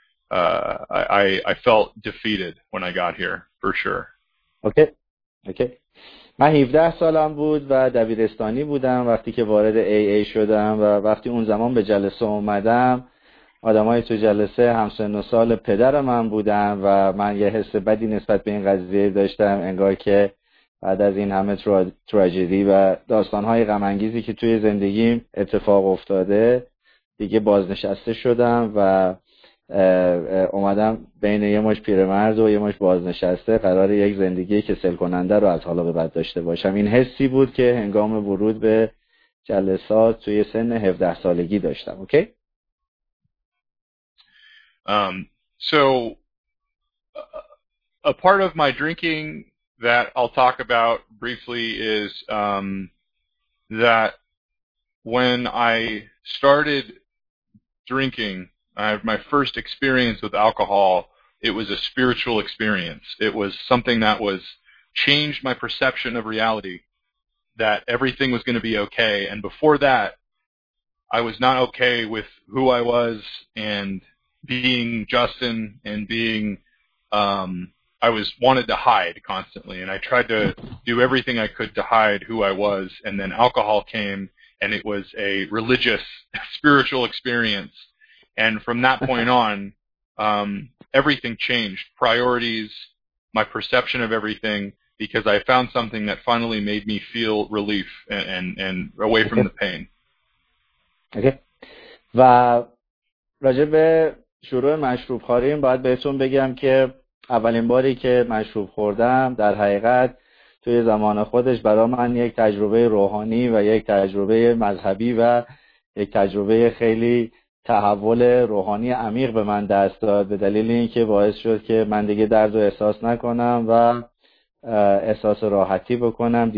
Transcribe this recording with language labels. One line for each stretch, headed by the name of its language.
English: I felt defeated when I got here, for sure. Okay.
Persian: من 17 سالم بود و دبیرستانی بودم وقتی که وارد AA شدم و وقتی اون زمان به جلسه اومدم آدمای تو جلسه همسن و سال پدرم هم بودن و من یه حس بدی نسبت به این قضیه داشتم، انگار که بعد از این همه تراژدی و داستانهای غم‌انگیزی که توی زندگیم اتفاق افتاده دیگه بازنشسته شدم و اومدم بین یه مش پیرمرد و یه مش بازنشسته قرار یک زندگی کسل کننده رو از حالا به بعد داشته باشم. این حسی بود که هنگام ورود به جلسات توی سن 17 سالگی داشتم.
English: Okay? So a part of my drinking that I'll talk about briefly is that when I started drinking, I have my first experience with alcohol. It was a spiritual experience. It was something that was changed my perception of reality, that everything was going to be okay. And before that, I was not okay with who I was and being Justin and being, I was wanted to hide constantly. And I tried to do everything I could to hide who I was. And then alcohol came and it was a religious, spiritual experience. And from that point on, everything changed. Priorities, my perception of everything, because I found something that finally made me feel relief and away from the pain. Okay.
Persian: و راجع به شروع مشروب خوریم باید بهتون بگم که اولین باری که مشروب خوردم در حقیقت توی زمان خودش برای من یک تجربه روحانی و یک تجربه مذهبی و یک تجربه خیلی تحول روحانی عمیق به من دست داد، به دلیل اینکه باعث شد که من دیگه درد رو احساس نکنم و احساس راحتی بکنم.